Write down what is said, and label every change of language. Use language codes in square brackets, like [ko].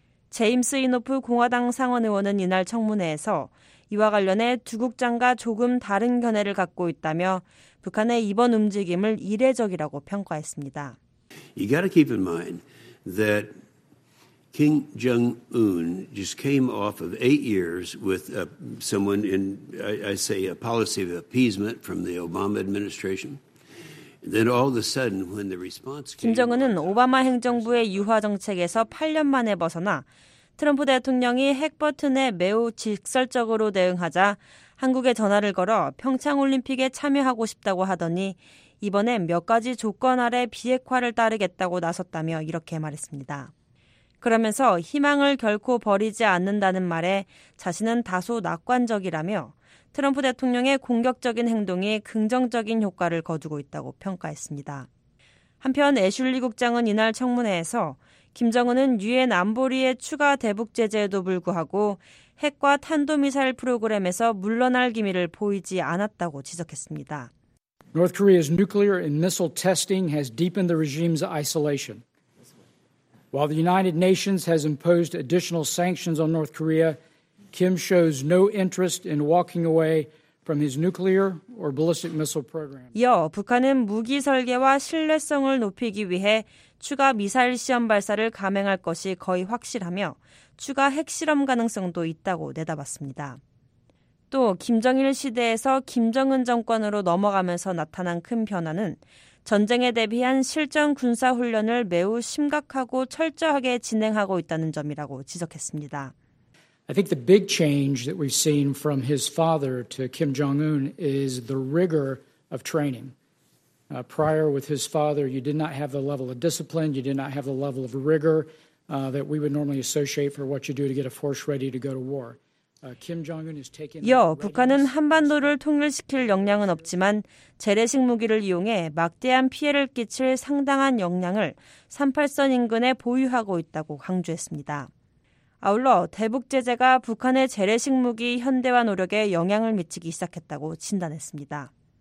[ko] 제임스 이노프 공화당 상원 의원은 이날 청문회에서 이와 관련해 두 국장과 조금 다른 견해를 갖고 있다며 북한의 이번 움직임을 이례적이라고 평가했습니다. [en] You got to keep in mind that Kim Jong-un just came off of 8 years with someone in, I say, a policy of appeasement from the Obama administration. Then all of a sudden, when the response came, [ko] 김정은은 오바마 행정부의 유화 정책에서 8년 만에 벗어나 트럼프 대통령이 핵 버튼에 매우 직설적으로 대응하자 한국에 전화를 걸어 평창올림픽에 참여하고 싶다고 하더니 이번엔 몇 가지 조건 아래 비핵화를 따르겠다고 나섰다며 이렇게 말했습니다. 그러면서 희망을 결코 버리지 않는다는 말에 자신은 다소 낙관적이라며 트럼프 대통령의 공격적인 행동이 긍정적인 효과를 거두고 있다고 평가했습니다. 한편 애슐리 국장은 이날 청문회에서 김정은은 유엔 안보리의 추가 대북 제재에도 불구하고 핵과 탄도미사일 프로그램에서 물러날 기미를 보이지 않았다고 지적했습니다. [en] North Korea's nuclear and missile testing has deepened the regime's isolation. While the United Nations has imposed additional sanctions on North Korea, Kim shows no interest in walking away from his nuclear or ballistic missile program. [ko] 이어 북한은 무기 설계와 신뢰성을 높이기 위해 추가 미사일 시험 발사를 감행할 것이 거의 확실하며 추가 핵실험 가능성도 있다고 내다봤습니다. 또 김정일 시대에서 김정은 정권으로 넘어가면서 나타난 큰 변화는 전쟁에 대비한 실전 군사 훈련을 매우 심각하고 철저하게 진행하고 있다는 점이라고 지적했습니다. [en] I think the big change that we've seen from his father to Kim Jong-un is the rigor of training. Prior with his father, you did not have the level of discipline, you did not have the level of rigor that we would normally associate for what you do to get a force ready to go to war. Kim Jong-un is taking. [ko] 이어 북한은 한반도를 통일시킬 역량은 없지만 재래식 무기를 이용해 막대한 피해를 끼칠 상당한 역량을 38선 인근에 보유하고 있다고 강조했습니다. 아울러 대북 제재가 북한의 재래식 무기 현대화 노력에 영향을 미치기 시작했다고 진단했습니다.